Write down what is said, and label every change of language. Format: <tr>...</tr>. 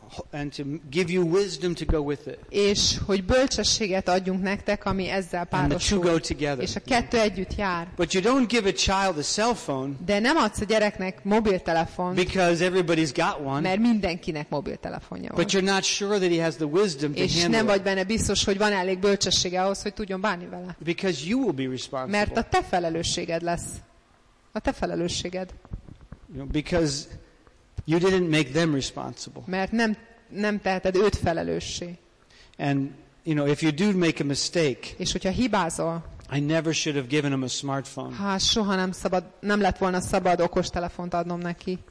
<en>And to give you wisdom to go with it.</en> <hu>És hogy bölcsességet adjunk nektek, ami ezzel párosul. És a kettő együtt jár.</hu> <en>But you don't give a child a cell phone.</en> <hu>De nem adsz a gyereknek mobiltelefont.</hu> <en>Because everybody's got one.</en> <hu>Mert mindenkinek mobiltelefonja van.</hu> <en>But you're not sure that he has the wisdom to handle.</en> <hu>És nem vagy benne biztos, hogy van elég bölcsessége ahhoz, hogy tudjon bánni vele.</hu> <en>Because you will be responsible.</en> <hu>Mert a te felelősséged lesz. A te felelősséged.</hu> <en>You know, because you didn't make them responsible.</en> <hu>Mert nem teheted őt felelőssé.</hu> <en>And you know, if you do make a mistake.</en> <hu>És hogyha hibázol.</hu> <en>I never should have given him a smartphone.</en> <hu>Hát soha nem lett volna szabad okos telefont adnom neki.</hu>